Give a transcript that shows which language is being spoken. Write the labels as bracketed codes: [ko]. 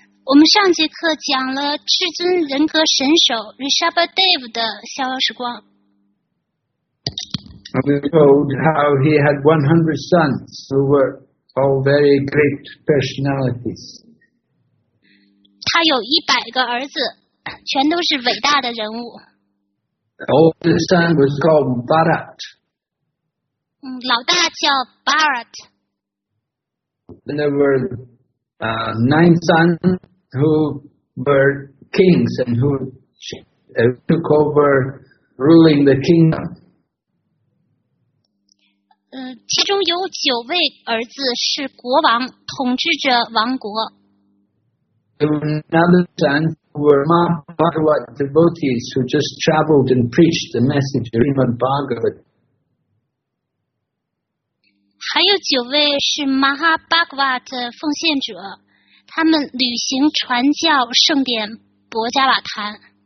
[zh] 我们上节课讲了至尊人格神首 Rishabhdev 的逍遥时光。 [en] And we told how he had 100 sons who were all very great personalities. [zh] 他有一百个儿子，全都是伟大的人物。 [en] The oldest son was called Bharat. [zh] 老大叫 Bharat. [en] And there were nine sons who were kings and who took over ruling the kingdom. [zh] 其中有九位儿子是国王，统治着王国。 [en] Another son were Mahabhagavat devotees who just traveled and preached the message of Srimad Bhagavat. [zh] 还有九位是 Mahabhagavat 奉献者，他们旅行传教圣典博迦瓦坛。